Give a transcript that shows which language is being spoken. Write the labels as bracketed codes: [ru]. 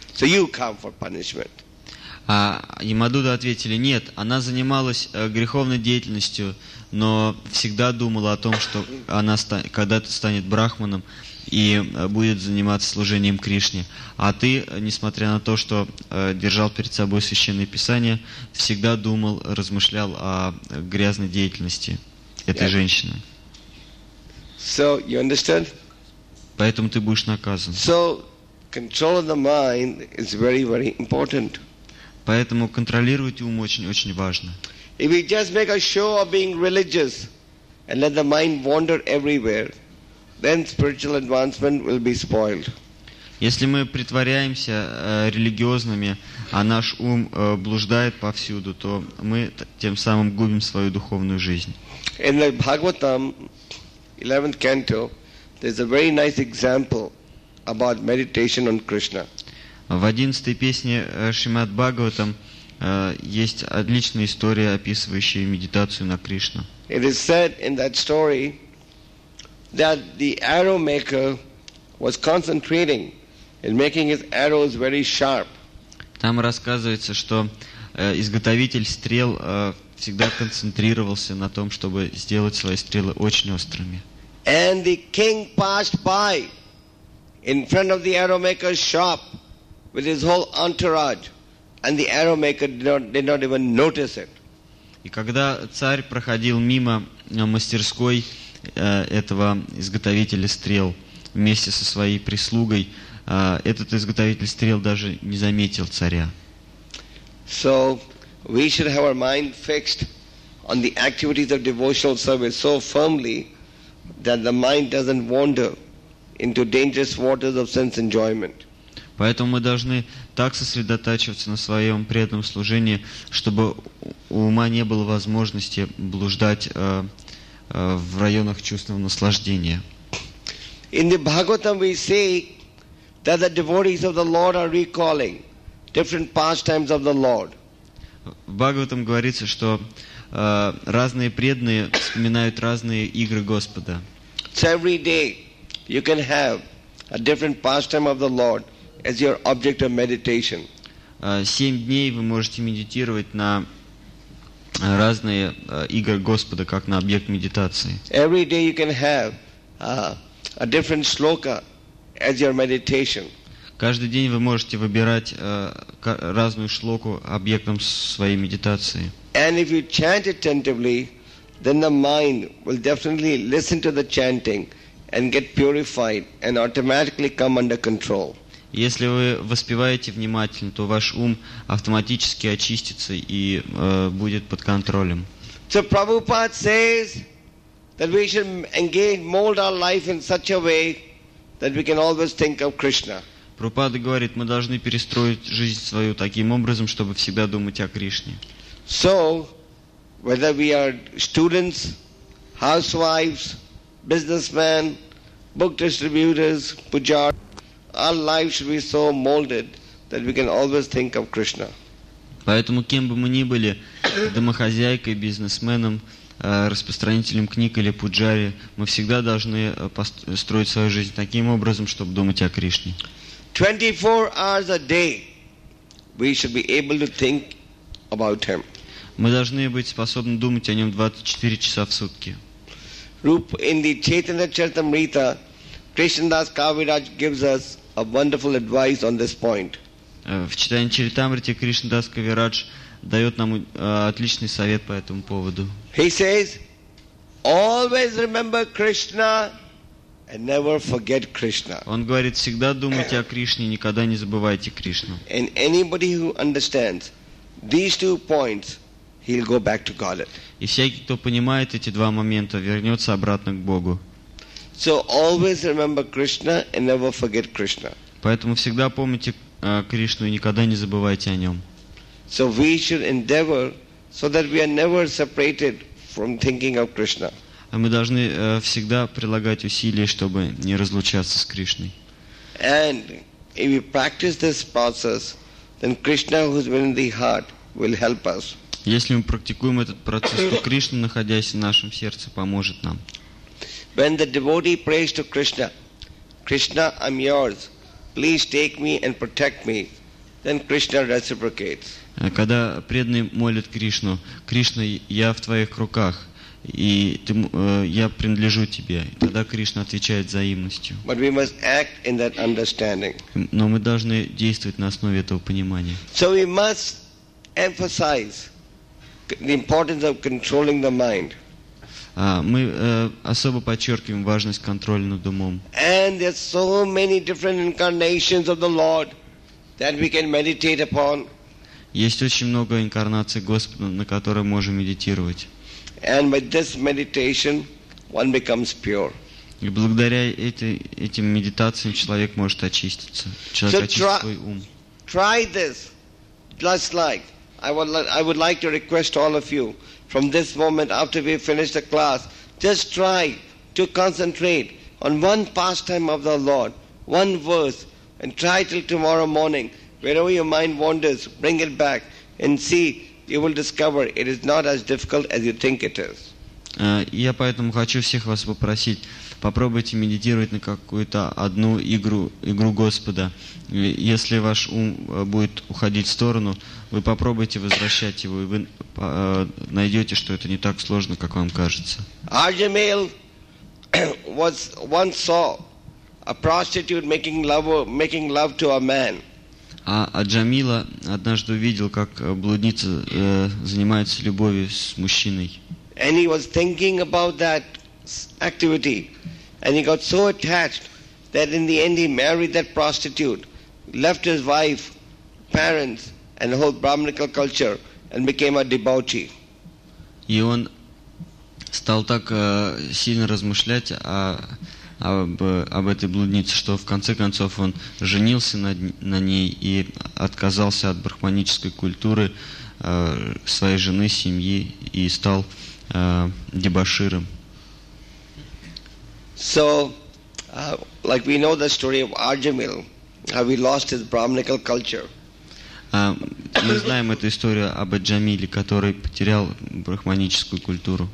[en] So you come for punishment. [ru] А Ямадуда ответили: нет, она занималась греховной деятельностью, но всегда думала о том, что она когда-то станет брахманом и будет заниматься служением Кришне. А ты, несмотря на то, что держал перед собой священное писание, всегда думал, размышлял о грязной деятельности этой женщины. [en] So, you understand? [ru] Поэтому ты будешь наказан. [en] So, control of the mind is very, very important. [ru] Поэтому контролировать ум очень-очень важно. [en] If we just make a show of being religious and let the mind wander everywhere, then spiritual advancement will be spoiled. [ru] Если мы притворяемся религиозными, а наш ум блуждает повсюду, то мы тем самым губим свою духовную жизнь. [en] In the Bhagavatam, 11th canto, there's a very nice example about meditation on Krishna. [ru] В 11-й песне Шримад Бхагаватам есть отличная история, описывающая медитацию на Кришну. [en] It is said in that story that the arrow maker was concentrating in making his arrows very sharp. [ru] Там рассказывается, что изготовитель стрел всегда концентрировался на том, чтобы сделать свои стрелы очень острыми. [en] And the king passed by in front of the arrow maker's shop with his whole entourage, and the arrow maker did not even notice it. [ru] И когда царь проходил мимо мастерской этого изготовителя стрел вместе со своей прислугой, этот изготовитель стрел даже не заметил царя. [en] So we should have our mind fixed on the activities of devotional service so firmly that the mind doesn't wander into dangerous waters of sense enjoyment. [ru] Поэтому мы должны так сосредотачиваться на своем преданном служении, чтобы у ума не было возможности блуждать в районах чувственного наслаждения. [en] In the Bhagavatam we say that the devotees of the Lord are recalling different pastimes of the Lord. [ru] В Бхагаватам говорится, что разные преданные вспоминают разные игры Господа. [en] So every day you can have a different pastime of the Lord as your object of meditation. [ru] 7 дней вы можете медитировать на разные игры Господа, как на объект медитации. [en] Every day you can have a different shloka as your meditation. [ru] Каждый день вы можете выбирать разную шлоку объектом своей медитации. [en] And if you chant attentively, then the mind will definitely listen to the chanting and get purified and automatically come under control. [ru] Если вы воспеваете внимательно, то ваш ум автоматически очистится и будет под контролем. [en] So Prabhupada says that we should engage, mold our life in such a way that we can always think of Krishna. [ru] Прабхупада говорит, мы должны перестроить жизнь свою таким образом, чтобы всегда думать о Кришне. [en] So, whether we are students, housewives, businessmen, book distributors, pujari, our life should be so molded that we can always think of Krishna. [ru] Поэтому кем бы мы ни были, домохозяйкой, бизнесменом, распространителем книг или пуджари, мы всегда должны построить свою жизнь таким образом, чтобы думать о Кришне. [en] 24 hours a day we should be able to think about him. [ru] Мы должны быть способны думать о нем 24 часа в сутки. [en] In the Chaitanya Charitamrita, Krishnadas Kaviraj gives us a wonderful advice on this point. [ru] В Чайтанья Чаритамрите Кришнадас Кавирадж дает нам отличный совет по этому поводу. [en] He says, always remember Krishna and never forget Krishna. [ru] Он говорит, всегда думайте о Кришне, никогда не забывайте Кришну. [en] And anybody who understands these two points, he'll go back to Godhead. [ru] И всякий, кто понимает эти два момента, вернется обратно к Богу. [en] So always remember Krishna and never forget Krishna. [ru] Поэтому всегда помните Кришну и никогда не забывайте о нем. [en] So we should endeavor so that we are never separated from thinking of Krishna. [ru] А мы должны всегда прилагать усилия, чтобы не разлучаться с Кришной. [en] And if we practice this process, then Krishna, who is within the heart, will help us. [ru] Если мы практикуем этот процесс, то Кришна, находясь в нашем сердце, поможет нам. [en] When the devotee prays to Krishna, Krishna, I'm yours, please take me and protect me, then Krishna reciprocates. [ru] Когда преданный молит Кришну, Кришна, я в твоих руках, и ты, я принадлежу тебе. И тогда Кришна отвечает взаимностью. [en] But we must act in that understanding. [ru] Но мы должны действовать на основе этого понимания. [en] So we must emphasize the importance of controlling the mind. [ru] Мы особо подчеркиваем важность контроля над умом. [en] And there are so many different incarnations of the Lord that we can meditate upon. [ru] Есть очень много инкарнаций Господа, на которые можем медитировать. [en] And with this meditation, one becomes pure. [ru] И благодаря этим медитациям человек может очиститься. Человек очистит свой ум. [en] Try this. Just like I would like to request all of you from this moment after we finish the class, just try to concentrate on one pastime of the Lord, one verse, and try till tomorrow morning. Wherever your mind wanders, bring it back and see. You will discover it is not as difficult as you think it is. [ru] Я поэтому хочу всех вас попросить, попробуйте медитировать на какую-то одну игру Господа. Если ваш ум будет уходить в сторону, вы попробуйте возвращать его, и вы найдете, что это не так сложно, как вам кажется. [en] Arjamail once saw a prostitute making love to a man. [ru] А Джамила однажды увидел, как блудница занимается любовью с мужчиной. [en] And he was thinking about that activity, and he got so attached that in the end he married that prostitute, left his wife, parents, and the whole Brahminical culture, and became a devotee. [ru] И он стал так сильно размышлять о об этой блуднице, что в конце концов он женился на ней и отказался от брахманической культуры своей жены, семьи и стал дебоширом. [en] So, like we know the story of Arjamil, how he lost his brahmanical culture. [ru] Мы знаем эту историю об Аджамиле, который потерял брахманическую культуру.